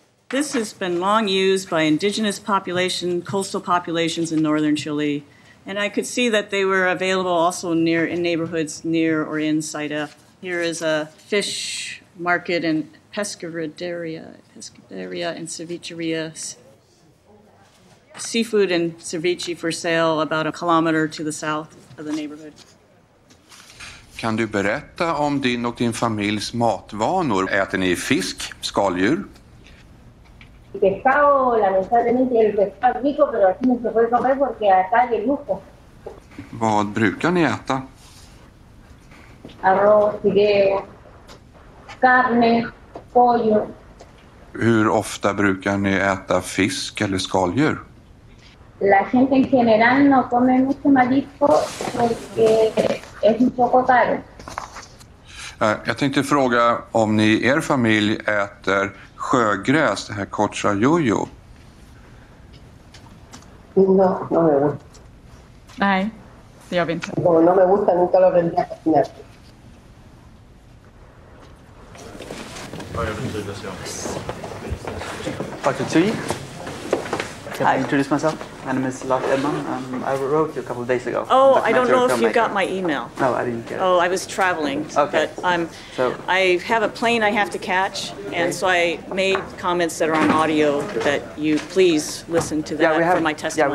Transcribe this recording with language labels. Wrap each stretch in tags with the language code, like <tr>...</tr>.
<en>This has been long used by indigenous population, coastal populations in northern Chile, and I could see that they were available also near in neighborhoods near or in Saita. Here is a fish market and pescaderia and cevicheria. Seafood and ceviche for sale about a kilometer to the south of the neighborhood.</en> <sv>Kan du berätta om din och din familjs matvanor? Äter ni fisk, skaldjur?</sv> <es>Pescado, lamentablemente, el pescado es rico, pero aquí no se puede comer porque acá hay lujo.</es> <sv>Vad brukar ni äta?</sv> <es>Arroz, fideo, carne, pollo.</es> <sv>Hur ofta brukar ni äta fisk eller skaldjur?</sv> <es>La gente en general no come mucho marisco porque es un poco caro.</es> <sv>Jag tänkte fråga om ni i er familj äter sjögräs, det här cocha yuyo.</sv> <es>No, no me gusta.</es> <sv>Nej, det gör vi inte.</sv> <es>No, no me gusta, nunca lo aprendí a cocinar.</es> <sv>Tack för tid.</sv> <en>Can I introduce myself? My name is Lars Edman, and I wrote you a couple of days ago. Oh, I don't know if you got my email. No, I didn't get it. Oh, I was traveling. Okay. But I have a plane I have to catch, and so I made comments that are on audio that you please listen to that for my testimony.</en>